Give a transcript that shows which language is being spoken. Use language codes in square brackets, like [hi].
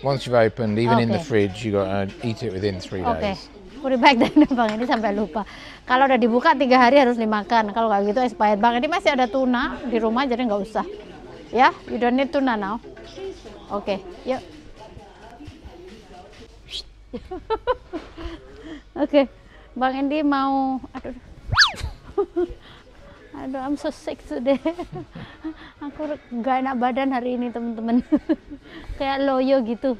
[en] Once you've opened, even okay. In the fridge, you got to eat it within 3 days. Okay. Put it back then, bang. Ini sampai lupa. [id] Kalau udah dibuka 3 hari harus dimakan. Kalau nggak gitu expired, bang. Ini masih ada tuna di rumah, jadi nggak usah. [en] Ya, yeah? You don't need tuna now. Oke, okay. Yuk. Oke. Okay. Bang Andy mau, aduh, I'm so sick today. [id] Aku gak enak badan hari ini teman-teman, kayak loyo gitu.